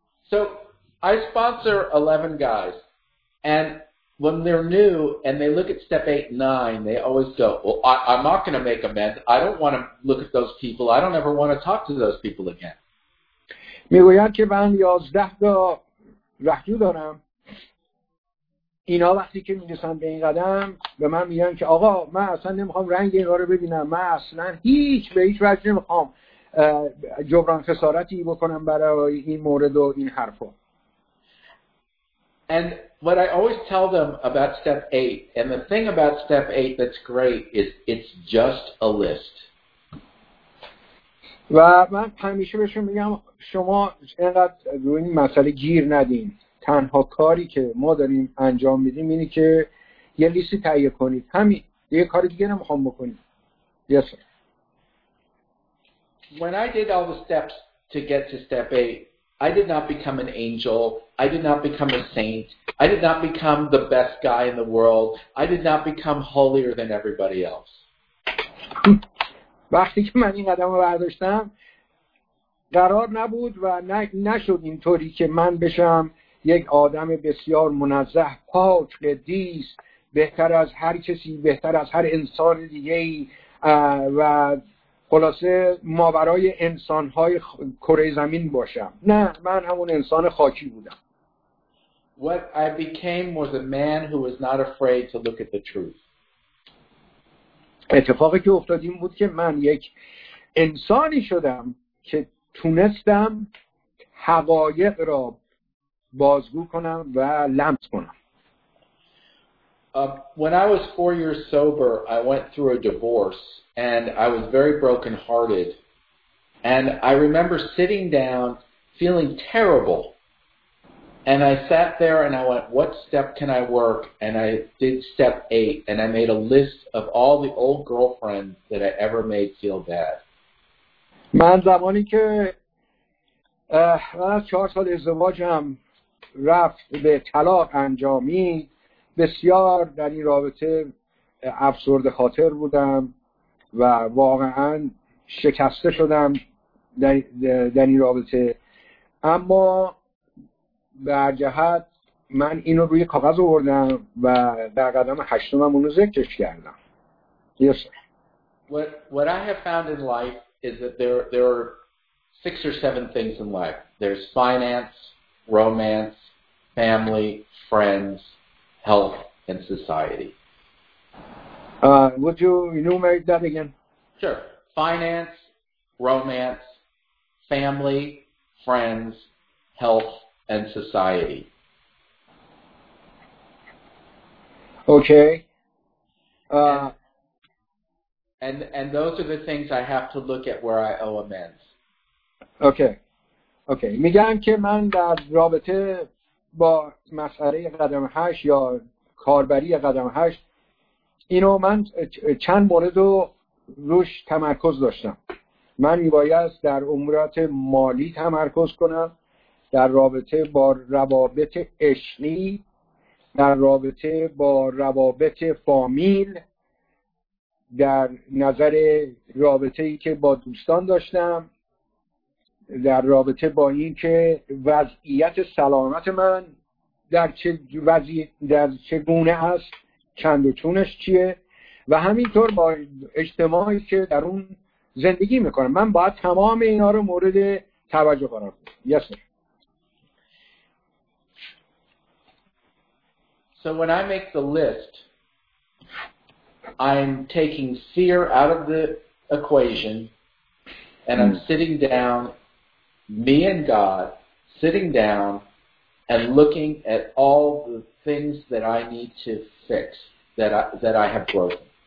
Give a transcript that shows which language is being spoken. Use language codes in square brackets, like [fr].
[en] So I sponsor 11 guys, and when they're new and they look at step 8 and 9, they always go, well, I'm not going to make amends. I don't want to look at those people. I don't ever want to talk to those people again. [fa] میگویند که من 11 تا رهجو دارم. اینا وقتی که میرسن به این قدم به من میگن که آقا من اصلا نمیخوام رنگ اینا رو ببینم. من اصلا هیچ به هیچ وجه نمیخوام جبران خسارتی بکنم برای این مورد و این حرفا. [en] And what I always tell them about step 8, and the thing about step 8 that's great is it's just a list. [fa] و من همیشه بهشون میگم شما اینقدر روی این مسئله گیر ندین. تنها کاری که ما داریم انجام میدیم اینه که یه لیستی تهیه کنید. همین. یه کار دیگه نمیخوام بکنید. [en] Yes sir. When I did all the steps to get to step 8, I did not become an angel. I did not become a saint. I did not become the best guy in the world. I did not become holier than everybody else. [fa] وقتی که من این قدم رو برداشتم قرار نبود و نشد اینطوری که من بشم یک آدم بسیار منزه، پاک، قدیس، بهتر از هر کسی، بهتر از هر انسان دیگه‌ای و خلاصه ماورای انسان‌های کره زمین باشم. نه، من همون انسان خاکی بودم. [en] What I became was a man who was not afraid to look at the truth. [fa] اتفاقی که افتاد این بود که من یک انسانی شدم که تونستم حقایق را بازگو کنم و لمس کنم. [en] When I was 4 years sober, I went through a divorce, and I was very broken-hearted. And I remember sitting down, feeling terrible. And I sat there, and I went, what step can I work? And I did step 8, and I made a list of all the old girlfriends that I ever made feel bad. [fa] من زمانی که من از 4 سال ازدواجم رفت به طلاق انجامی، بسیار در این رابطه افسرده خاطر بودم و واقعا شکسته شدم در این رابطه. اما برجهت من اینو روی کاغذ آوردم و در قدم هشتمم اونو ذکرش کردم. [en] Yes. What I have found in life is that there are 6 or 7 things in life. There's finance, romance, family, friends, health and society. Would you enumerate that again? Sure. Finance, romance, family, friends, health and society. Okay. And those are the things I have to look at where I owe amends. Okay. [fa] میگن که من در رابطه با مسئله قدم 8 یا کاربری قدم 8 اینو من چند مورد رو روش تمرکز داشتم. من میبایست در امورات مالی تمرکز کنم، در رابطه با روابط عشقی، در رابطه با روابط فامیل، در نظر رابطه‌ای که با دوستان داشتم، در رابطه با این که وضعیت سلامت من در چگونه است، چند و چونش چیه، و همینطور با اجتماعی که در اون زندگی میکنم. من باید تمام اینا رو مورد توجه قرار بدم. [en] Yes sir. So when I make the list, I'm taking fear out of the equation, and I'm sitting down, me and God, sitting down and looking at all the things that I need to fix that I have broken.